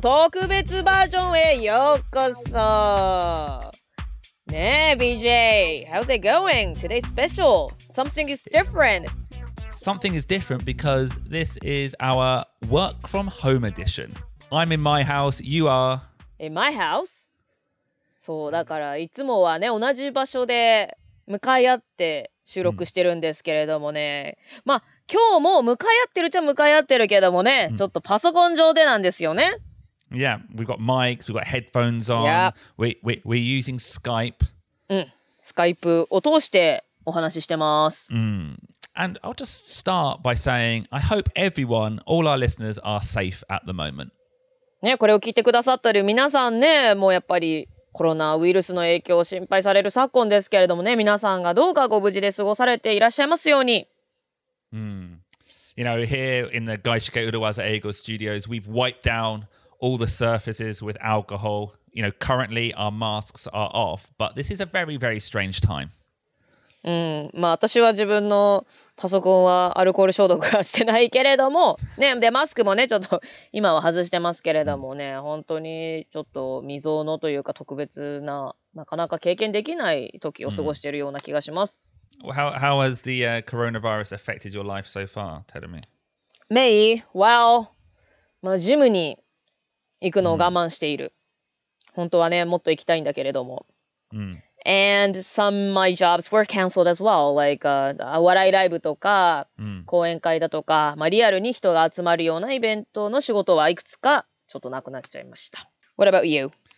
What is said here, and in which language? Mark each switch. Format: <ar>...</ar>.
<ja>Tokubetsu version e yokoso!</ja> <en>Hey, BJ, how's it going? Today's special. Something is different. Something is different because this is our work from home edition. I'm in my house, you are... In my house?</en> <ja>そうだからいつもはね同じ場所で向かい合って収録してるんですけれどもね、まあ今日も向かい合ってるっちゃ向かい合ってるけどもね、ちょっとパソコン上でなんですよね。</ja> <en>Yeah, we've got mics, we've got headphones on. Yeah. We're using Skype.</en> <ja>うん、Skype を通してお話ししてます。 Mm.</ja> <en>And I'll just start by saying, I hope everyone, all our listeners, are safe at the moment.</en> <ja>ね、これを聞いてくださってる皆さんね、もうやっぱりコロナウイルスの影響を心配される昨今ですけれどもね、皆さんがどうかご無事で過ごされていらっしゃいますように。</ja> <en>You know, here in the Gaishike Urawaza Eigo Studios, we've wiped down all the surfaces with alcohol. You know, currently our masks are off, but this is a very, very strange time.</en> <ja>うん、まあ私は自分のパソコンはアルコール消毒はしてないけれどもね、でマスクもねちょっと今は外してますけれどもね、本当にちょっと未曾有のというか特別な、なかなか経験できない時を過ごしているような気がします。</ja> <en>How has the、coronavirus affected your life so far, Terumi? Me? Well,</en> <ja>まあジムに行くのを我慢している、本当はねもっと行きたいんだけれども、</ja> <en>And some of my jobs were cancelled as well, like</en> <ja>笑いライブとか、講演会だとか、まあ、リアルに人が集まるようなイベントの仕事はいくつかちょっとなくなっちゃいました。</ja> <en>What about you?</en>